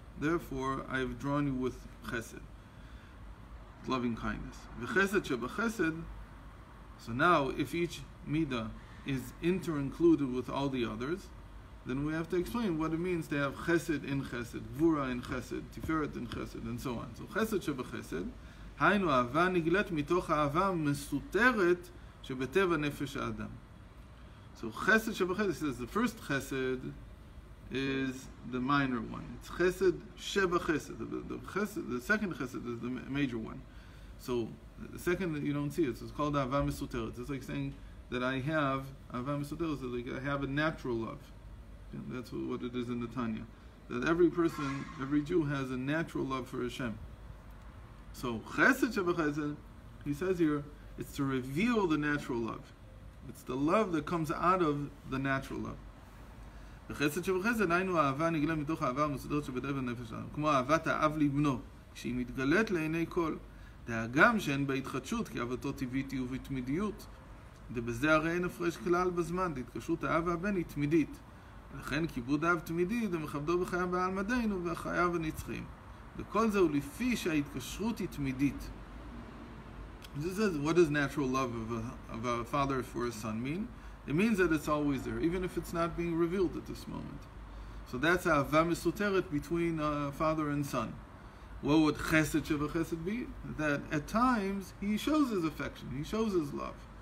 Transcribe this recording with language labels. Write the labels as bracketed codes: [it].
[en] Therefore, I have drawn you with chesed, loving kindness. V'chesed shebachesed. So now, if each midah is inter-included with all the others, then we have to explain what it means to have chesed in chesed, gvura in chesed, tiferet in chesed, and so on. So chesed shebachesed. [he] היינו, אהבה נגלית מתוך אהבה מסותרת שבטבע נפש האדם. [en] So chesed shebachesed, he says, the first chesed is the minor one. It's chesed shebachesed. The second chesed is the major one. So the second, you don't see it. So it's called ahava mesuteret. It's like saying that I have ahava mesuteret. It's like I have a natural love. That's what it is in the Tanya. That every person, every Jew has a natural love for Hashem. So chesed shebachesed, he says here, it's to reveal the natural love. It's the love that comes out of the natural love. [he] וחסד שבחסד, היינו אהבה נגלה מתוך אהבה המסודרת שבדבר נפש שלנו. כמו אהבת האב לבנו, כשהיא מתגלית לעיני כל, דאגם שאין בה התחדשות, כי אהבתו טבעית היא ובתמידיות. ובזה הרי אין הפרש כלל בזמן, להתקשרות האב והבן היא תמידית. לכן כיבוד אב תמידי, ומכבדו בחייו בעל מדינו, וחייו הנצחיים. וכל זהו לפי שההתקשרות היא תמידית. [en] This is what does natural love of a father for a son mean? It means that it's always there, even if it's not being revealed at this moment. So that's a ahava mesuteret between a father and son. What would chesed sheva chesed be? That at times he shows his affection, he shows his love.